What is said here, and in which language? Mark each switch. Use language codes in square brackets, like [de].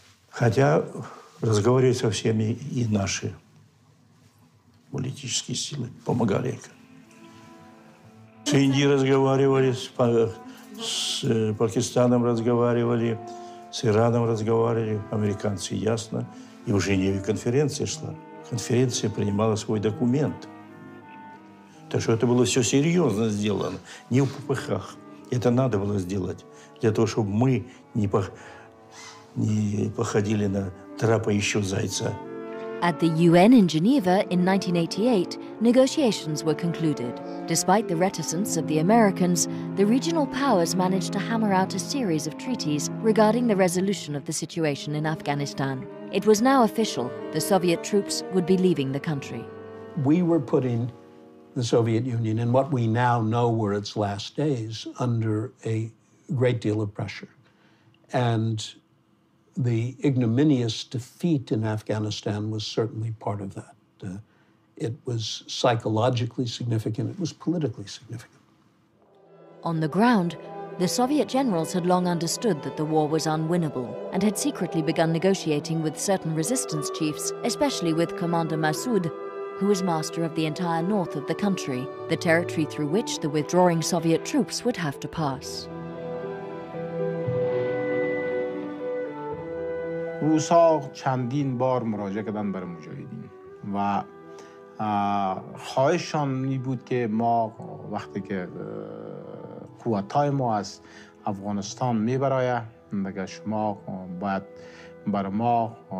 [ru] Хотя разговаривать со всеми и наши политические силы помогали. С Индией разговаривали, с Пакистаном разговаривали, с Ираном разговаривали, американцы, ясно. И в Женеве конференция шла. Конференция принимала свой документ. [uk] Так що це було все серйозно зроблено, не в попихах. Це треба було зробити для того, щоб ми не походили на трапи ще зайця. [en] At the UN in Geneva in 1988, negotiations were concluded. Despite the reticence of the Americans, the regional powers managed to hammer out a series of treaties regarding the resolution of the situation in Afghanistan. It was now official, the Soviet troops would be leaving the country. We were putting the Soviet Union in what we now know were its last days under a great deal of pressure. And the ignominious defeat in Afghanistan was certainly part of that. It was psychologically significant. It was politically significant. On the ground, the Soviet generals had long understood that the war was unwinnable and had secretly begun negotiating with certain resistance chiefs, especially with Commander Massoud, who was master of the entire north of the country, the territory through which the withdrawing Soviet troops would have to pass. [fa] روسا چندین بار مراجعه کردن برای مجاهدین و خواهشان این بود که ما وقتی که قوتای ما از افغانستان میبرایه دیگه شما باید بر ما